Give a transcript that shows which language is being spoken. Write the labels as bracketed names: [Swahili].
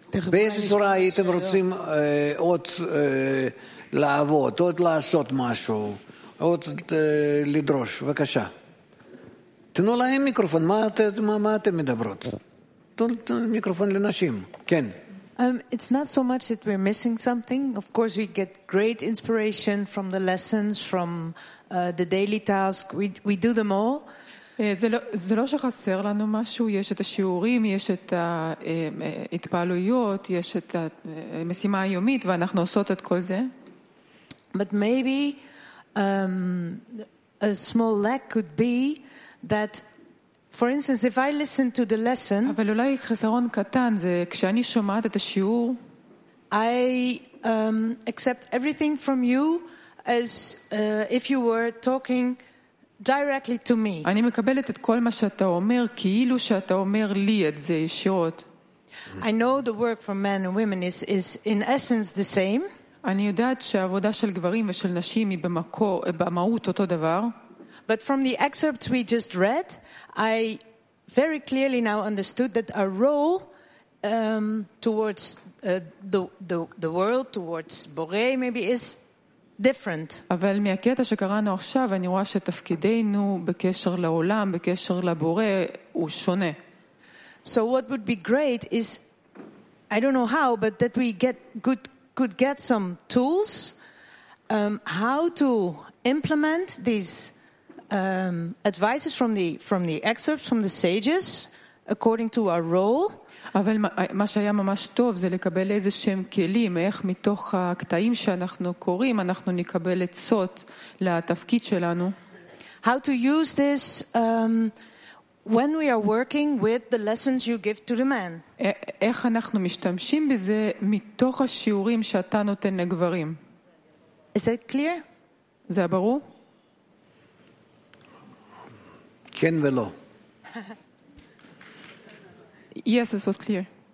[Hebrew] באיזה צורה הייתם רוצים עוד לעבוד, עוד לעשות משהו, עוד לדרוש? בבקשה. תנו להם מיקרופון, מה אתם מדברות? תנו מיקרופון לנשים, כן. [English] It's not so much that we're missing something. Of course, we get great inspiration from the lessons, from the daily tasks. We do them all. [Hebrew] זה לא שחסר לנו משהו. יש את השיעורים, יש את ההתפעלויות, יש את המשימה היומית, ואנחנו עושות את כל זה. [English] But maybe a small lack could be that for instance, if I listen to the lesson, [Hebrew] אבל אולי חסרון קטן זה כשאני שומעת את השיעור, [English] I accept everything from you as if you were talking directly to me. [Hebrew] אני מקבלת את כל מה שאתה אומר כאילו שאתה אומר לי את זה ישירות. [English] I know the work for men and women is in essence the same. [Hebrew] אני יודעת שהעבודה של גברים ושל נשים היא במהות אותו דבר. [English] But from the excerpts we just read, I very clearly now understood that our role towards the world, towards Bore, maybe is different. [Hebrew] אבל מהקטע שקראנו עכשיו, אני רואה שתפקידנו בקשר לעולם, בקשר לבורא, הוא שונה. [English] So what would be great is, I don't know how, but that we could get some tools how to implement these advices from the excerpts from the sages according to our role. [Hebrew] אבל מה שהיה ממש טוב זה לקבל איזה שהם כלים, איך מתוך הקטעים שאנחנו קוראים אנחנו נקבל עצות לתפקיד שלנו. [English] How to use this when we are working with the lessons you give to the men. [Hebrew] איך אנחנו משתמשים בזה מתוך השיעורים שאתה נותן לגברים. [English] Is that clear? [Hebrew] זה ברור? כן ולא. [English] Yes, this was clear.